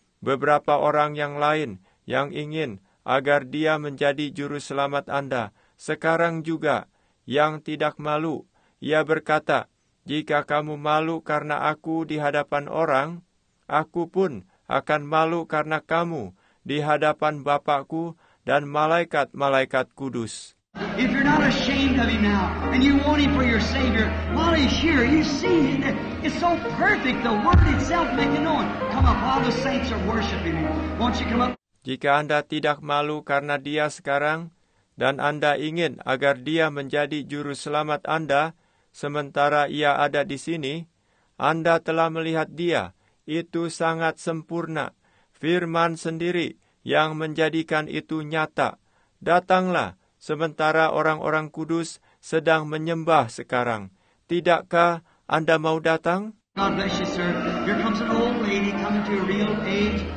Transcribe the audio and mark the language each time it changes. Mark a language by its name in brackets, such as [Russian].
[Indonesian] Beberapa orang yang lain yang ingin agar Dia menjadi Juru Selamat Anda sekarang juga, yang tidak malu, Ia berkata, "Jika kamu malu karena aku di hadapan orang, aku pun akan malu karena kamu di hadapan Bapa-Ku dan malaikat-malaikat kudus." [English] If you're not ashamed of him now and you want him for your savior, while he's here, you see it. It's so perfect, the word itself making known. Come up, all the saints are worshiping him. Won't you come up? [Indonesian] Jika Anda tidak malu karena dia sekarang dan Anda ingin agar dia menjadi juru selamat Anda sementara ia ada di sini, Anda telah melihat dia. Itu sangat sempurna. Firman sendiri yang menjadikan itu nyata. Datanglah sementara orang-orang kudus sedang menyembah sekarang. Tidakkah Anda mau datang? [English] God bless you, sir. Here comes an old lady coming to a real age.